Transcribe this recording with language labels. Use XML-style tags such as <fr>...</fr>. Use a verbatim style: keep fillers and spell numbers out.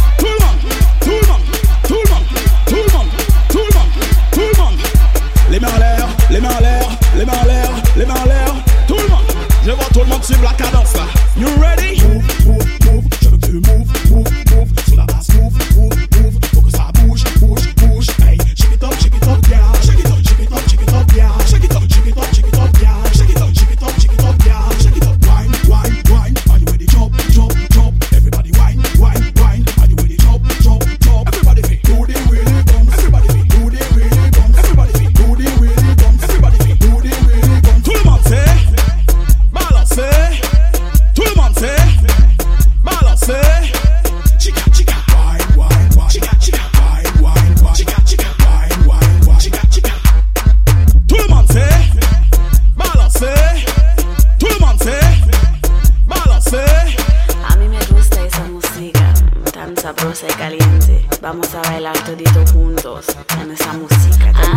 <fr>Tout le monde, tout le monde, tout le monde, tout le monde, tout le monde, tout le monde. Les mains en l'air, les mains en l'air, les mains en l'air, les mains en l'air. Tout le monde. Je vois tout le monde suivre la cadence là.</fr> <en>You ready? Move, move, move.</en> <fr>Je veux que tu</fr> <en>move, move, move.</en> <fr>Sur la basse, move, move, move. Faut que ça bouge, bouge, bouge.</fr> <en>Hey, shake it up, shake it up, yeah. Shake it up, shake it up, shake it up, yeah. Shake it up, shake it up, shake it up, yeah. Shake it up, shake it up, shake it up, yeah. Shake it up, wine, wine, wine. Are you ready? Jump, jump, jump. Everybody wine, wine, wine. Are you ready? Jump, jump, jump. Everybody feel do the really bounce. Everybody feel do the really bounce. Everybody feel do the really bounce. Everybody feel do the really bounce.</en> <fr>Tout le monde sait. Balancez, tout le monde sait. Balancez,</fr> <en>chica chica, wine wine wine, chica chica, wine wine wine, chica chica, wine wine wine, chica chica.</en> <fr>Tout le monde sait. Balancez, tout le monde sait. Balancez.</fr> <es>A mí me gusta esa música tan sabrosa y caliente. Vamos a bailar toditos juntos en esa música tan</es>